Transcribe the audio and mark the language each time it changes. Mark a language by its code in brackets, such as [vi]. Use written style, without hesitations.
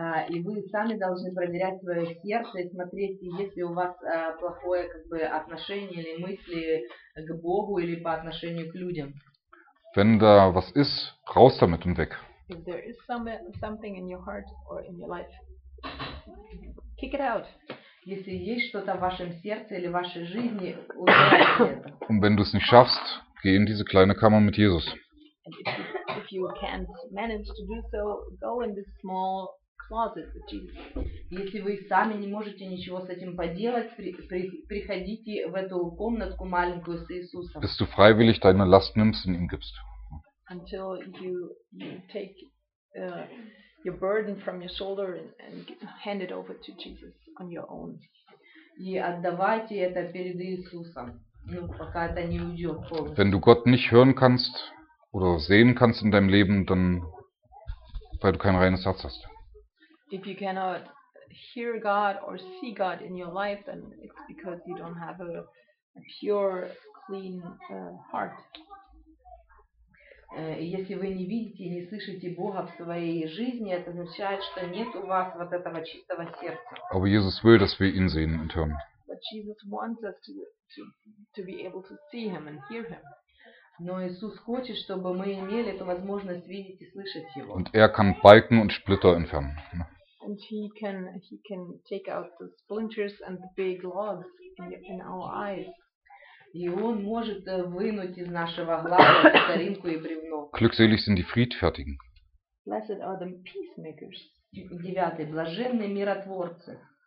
[ru] И вы сами должны проверять свое сердце и смотреть, если у вас плохое как бы отношение или мысли к Богу или по отношению к людям. [de] Wenn da was ist, raus damit und weg. [en] If there is something in your heart or in your life, kick it out. [ru] Если есть что-то в вашем сердце или в вашей жизни, убирайте это. [de] Und wenn du es nicht schaffst, geh in diese kleine Kammer mit Jesus. [en] If you can't manage to do so, go in this small closet with Jesus. [ru] Если вы сами не можете ничего с этим поделать, приходите в эту комнатку маленькую с Иисусом. [de] Bis du freiwillig deine Last nimmst und ihm gibst. [en] Until you take your burden from your shoulder and hand it over to Jesus on your own. [ru] И отдавайте это перед Иисусом, ну, пока это не уйдет полностью. [de] Wenn du Gott nicht hören kannst oder sehen kannst in deinem Leben, dann weil du kein reines Herz hast. [en] If you cannot hear God or see God in your life, then it's because you don't have a pure, clean heart. [ru] Если вы не видите и не слышите Бога в своей жизни, это означает, что нет у вас вот этого чистого сердца. [de] Aber Jesus will, dass wir ihn sehen und hören. [en] But Jesus wants us to be able to see him and hear him. [ru] Но Иисус хочет, чтобы мы имели эту возможность видеть и слышать его. [de] Und er kann Balken und Splitter entfernen. [en] And he can take out the splinters and the big logs in our eyes. [ru] И он может вынуть из нашего глаза старинку и бревно. [de] Glückselig sind die Friedfertigen. [en] Blessed are the peacemakers. [ru] Девятый, блаженные миротворцы.